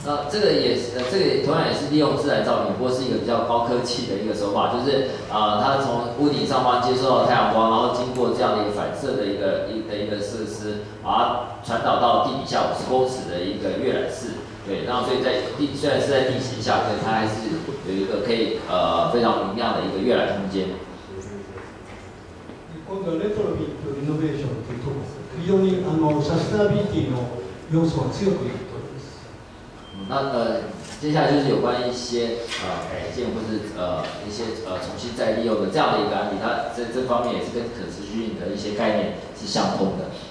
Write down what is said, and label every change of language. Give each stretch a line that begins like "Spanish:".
Chinese: 这个同样也是利用自然照明，不过是一个比较高科技的一个手法，就是它从屋顶上方接受到太阳光，然后经过这样的一个反射的一个设施，把它传导到地底下50公尺的一个阅览室。对，那所以在地虽然是在地形下，所以它还是有一个可以非常明亮的一个阅览空间。
Japanese: 今度はレトロビットイノベーションというと、非常にあのサステナビリティの要素は強くいるということです。
Chinese: 那接下来就是有关一些改建或是一些重新再利用的这样的一个案例，它在这方面也是跟可持续性的一些概念是相通的。